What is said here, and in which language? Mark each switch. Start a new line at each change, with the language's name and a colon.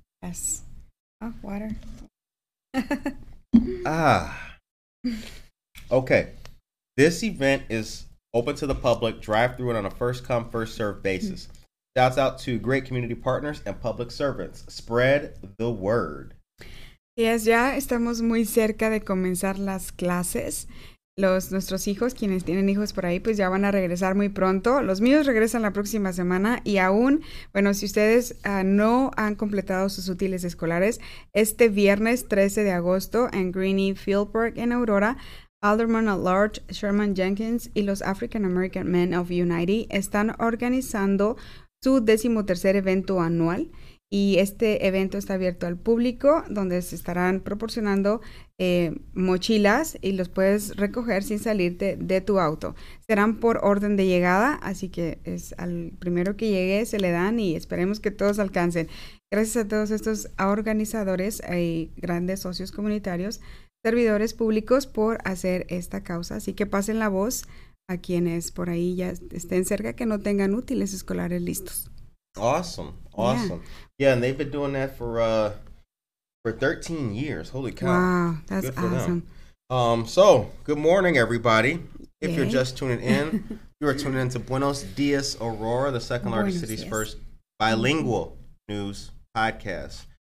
English: Yes. Oh, water. Ah. Okay. This event is open to the public, drive through it on a first-come, first-served basis. Mm-hmm. Shouts out to great community partners and public servants. Spread the word.
Spanish: Yes, ya estamos muy cerca de comenzar las clases. Nuestros hijos, quienes tienen hijos por ahí, pues ya van a regresar muy pronto. Los míos regresan la próxima semana y aún, bueno, si ustedes no han completado sus útiles escolares, este viernes 13 de agosto en Greeny Field Park en Aurora, Alderman at Large, Sherman Jenkins y los African American Men of Unity están organizando su 13th evento anual y este evento está abierto al público donde se estarán proporcionando mochilas y los puedes recoger sin salirte de tu auto. Serán por orden de llegada, así que es al primero que llegue se le dan y esperemos que todos alcancen. Gracias a todos estos organizadores y grandes socios comunitarios, servidores públicos por hacer esta causa. Así que pasen la voz a quienes por ahí ya estén cerca que no tengan útiles escolares listos.
English: Awesome. Awesome. Yeah, yeah, and they've been doing that for 13 years. Holy cow. Wow, that's awesome. So, good morning, everybody. If yay. You're just tuning in, you are tuning in to Buenos Dias Aurora, the second largest city's yes. first bilingual mm-hmm. news podcast.